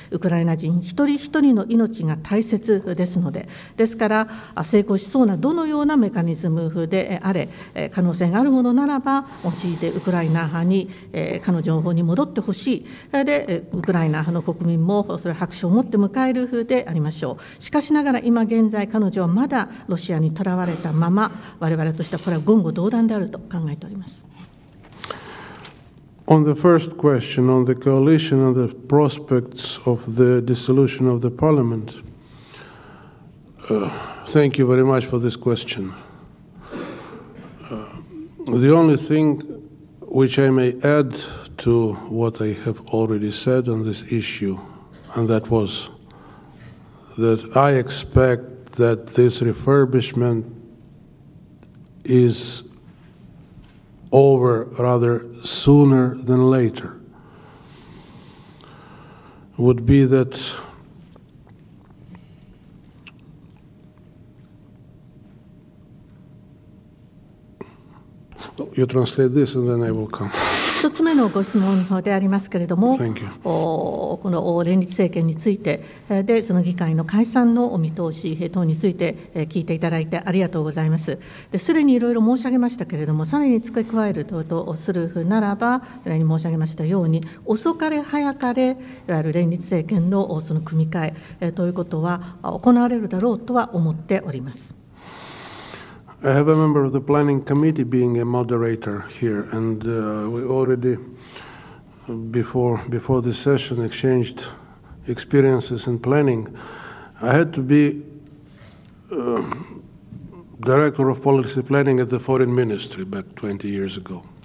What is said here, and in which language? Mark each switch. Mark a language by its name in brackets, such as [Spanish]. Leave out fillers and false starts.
[Japanese] ウクライナ人一人一人の命が大切ですので、ですから成功しそうなどのようなメカニズムであれ可能性があるものならば用いてウクライナ派に彼の情報に戻ってほしい。で、ウクライナ派の国民もそれ拍手を持って迎えるでありましょう。しかしながら今現在彼女はまだロシアに囚われたまま、我々としてはこれは言語道断であると考えております。 [English] On the first question on the coalition and the prospects of the dissolution of the parliament, thank you very much for this question. The only thing which I may add to what I have already said on this issue, and that was that I expect that this refurbishmentis over rather sooner than later, would be that you translate this and then I will come. [Japanese] 一つ目のご質問でありますけれども、この連立政権についてで、その議会の解散のお見通し等について聞いていただいてありがとうございます。すでにいろいろ申し上げましたけれども、さらに付け加えるとするならば、すでに申し上げましたように遅かれ早かれいわゆる連立政権のその組み替えということは行われるだろうとは思っております。 [English] I have a member of the planning committee being a moderator here, and we already before this session exchanged experiences in planning. I had to be director of policy planning at the foreign ministry back 20 years ago.